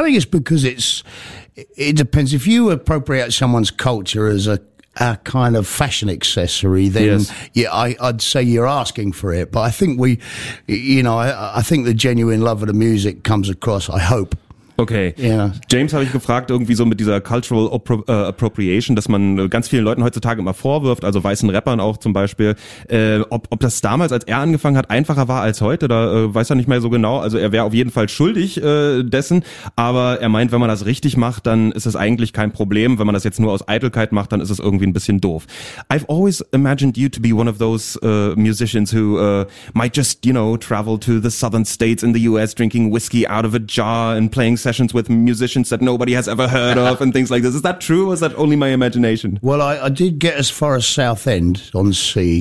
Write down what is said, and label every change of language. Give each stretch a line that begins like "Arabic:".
English: I think it's because it depends. If you appropriate someone's culture as a kind of fashion accessory, then I'd say you're asking for it. But I think I think the genuine love of the music comes across, I hope. Okay, yeah.
German: James habe ich gefragt, irgendwie so mit dieser Cultural Appropriation, dass man ganz vielen Leuten heutzutage immer vorwirft, also weißen Rappern auch zum Beispiel, ob das damals, als er angefangen hat, einfacher war als heute, da weiß er nicht mehr so genau, also er wäre auf jeden Fall schuldig dessen, aber er meint, wenn man das richtig macht, dann ist es eigentlich kein Problem, wenn man das jetzt nur aus Eitelkeit macht, dann ist es irgendwie ein bisschen doof.
English: I've always imagined you to be one of those musicians who might just, you know, travel to the southern states in the US drinking whiskey out of a jar and playing sessions with musicians that nobody has ever heard of and things like this. Is that true or is that only my imagination? Well, I did get as far as Southend on sea.